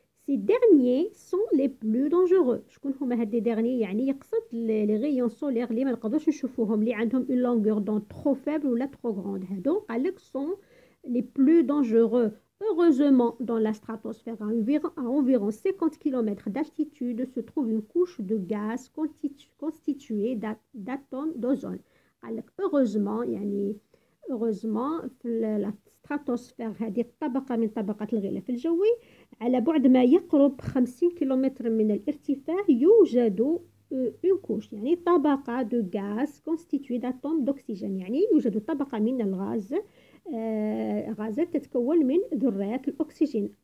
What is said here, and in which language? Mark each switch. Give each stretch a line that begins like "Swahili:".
French: Ces derniers sont les plus dangereux.
Arabic: شكون هما هاد لي
French: derniers؟
Arabic: يعني يقصد لي
French: rayons solaires
Arabic: اللي ما نقدروش نشوفوهم، اللي عندهم
French: une longueur d'onde trop faible ou la trop grande.
Arabic: هادو قالك
French: sont les plus dangereux. Heureusement, dans la stratosphère, à environ 50 km d'altitude, se trouve une couche de gaz constituée d'atomes d'ozone.
Arabic: قالك heureusement، يعني heureusement la ستراتوسفير، هذه الطبقة من طبقات الغلاف الجوي، على بعد ما يقرب 50 كيلومتر من الارتفاع، يوجد اون كوش، يعني طبقة دو غاز كونستيتوي داتوم دوكسيجين، يعني يوجد طبقة من الغاز، غازات تتكون من ذرات الأكسجين.